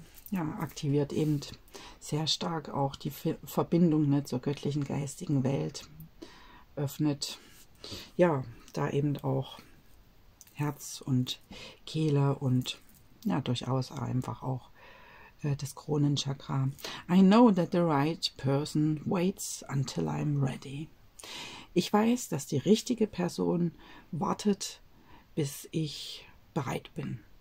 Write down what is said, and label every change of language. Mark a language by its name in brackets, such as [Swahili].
[German] Ja, aktiviert eben sehr stark auch die Verbindung, ne, zur göttlichen geistigen Welt, öffnet Ja, da eben auch Herz und Kehle und ja, durchaus einfach auch das Kronenchakra. [English] I know that the right person waits until I'm ready. [German] Ich weiß, dass die richtige Person wartet, bis ich bereit bin.